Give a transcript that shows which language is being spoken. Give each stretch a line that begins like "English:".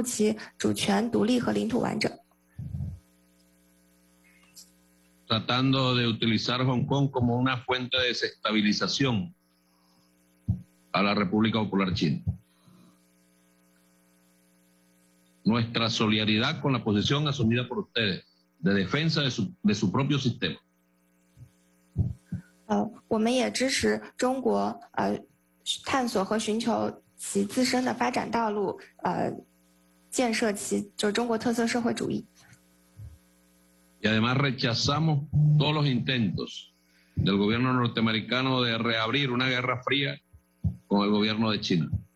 Chinese: 我们也将严格遵守一国两制原则，支持中国维护其主权、独立和领土完整。
Spanish: Tratando de utilizar Hong Kong como una fuente de desestabilización a la República Popular China. Nuestra solidaridad con la posición asumida por ustedes de defensa de su propio sistema.
Chinese: 我们也支持中国探索和寻求其自身的发展道路，建设其就是中国特色社会主义。
Spanish: Y además rechazamos todos los intentos del gobierno norteamericano de reabrir una guerra fría con el gobierno de China.